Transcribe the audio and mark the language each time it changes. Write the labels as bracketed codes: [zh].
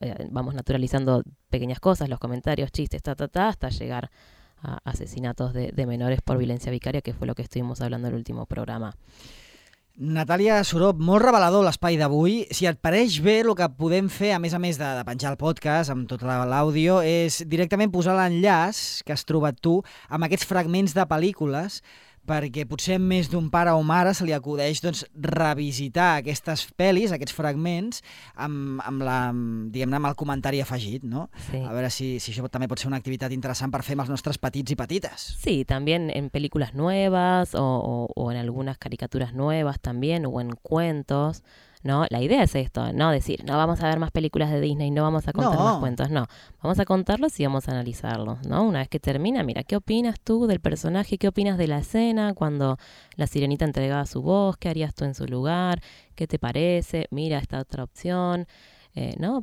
[es] Vamos naturalizando pequeñas cosas, los comentarios, chistes, hasta llegar a asesinatos de menores por violencia vicaria, que fue lo que estuvimos hablando en el último programa. [ca] Natàlia Sorop, molt revelador l'espai d'avui. Si et pareix bé, el que podem fer, a més de penjar el podcast amb tot l'àudio, és directament posar l'enllaç que has trobat tu amb aquests fragments de pel·lícules, perquè potser més d'un pare o mare se li acudeix, doncs, revisitar aquestes pel·lis, aquests fragments, amb el comentari afegit, no? Sí. A veure si això també pot ser una activitat interessant per fer amb els nostres petits i petites. Sí, també en pel·lícules noves o en algunes caricatures noves també, o en cuentos. [es] No, la idea es esto, no decir, no vamos a ver más películas de Disney, no vamos a contar más cuentos, no. Vamos a contarlos y vamos a analizarlos, ¿no? Una vez que termina, mira, ¿qué opinas tú del personaje? ¿Qué opinas de la escena cuando la sirenita entregaba su voz? ¿Qué harías tú en su lugar? ¿Qué te parece? Mira esta otra opción. ¿No?